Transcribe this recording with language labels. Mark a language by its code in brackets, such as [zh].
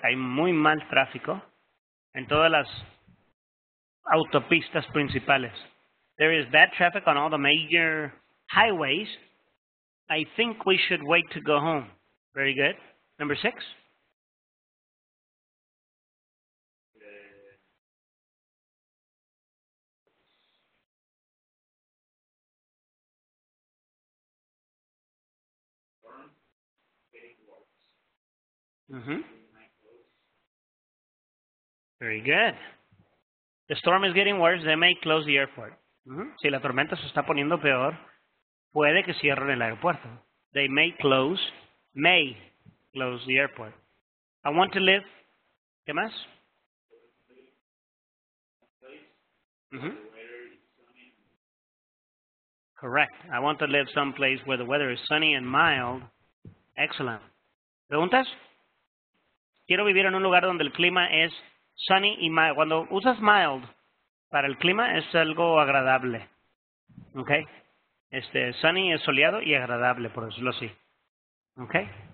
[es] Hay muy mal tráfico en todas las autopistas principales. [en] There is bad traffic on all the major highways. I think we should wait to go home. Very good. Number six. Very good. The storm is getting worse. They may close the airport. [es] Si la tormenta se está poniendo peor, puede que cierren el aeropuerto. [en] They may close the airport. I want to live. [es] ¿Qué más? [en] Correct. I want to live someplace where the weather is sunny and mild. Excellent. [es] ¿Preguntas? Quiero vivir en un lugar donde el clima es sunny y mild. Cuando usas mild para el clima es algo agradable. Okay. Sunny es soleado y agradable, por decirlo así. Okay.